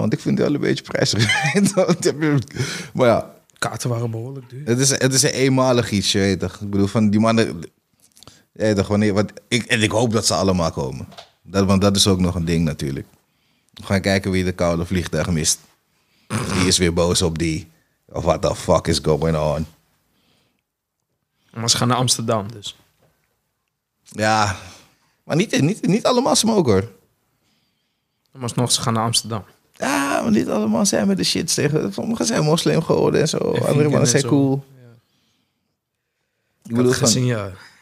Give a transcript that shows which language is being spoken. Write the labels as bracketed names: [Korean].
[Dutch] Want ik vind het wel een beetje prijzig. Maar ja. Kaarten waren behoorlijk duur. Het is een eenmalig iets, je weet toch. Ik bedoel, van die mannen... Je weet toch, wanneer... Ik hoop dat ze allemaal komen. Want dat is ook nog een ding, natuurlijk. We gaan kijken wie de koude vliegtuig mist. Die is weer boos op die... [English] Of what the fuck is going on? [Dutch] Maar ze gaan naar Amsterdam, dus. Ja. Maar niet allemaal smoke, hoor. Maar nog, ze gaan naar Amsterdam. Ja, maar niet allemaal zijn met de shit tegen. Sommigen zijn moslim geworden en zo. Andere mannen zijn cool. Ja. Ik bedoel, gezien, van, ja.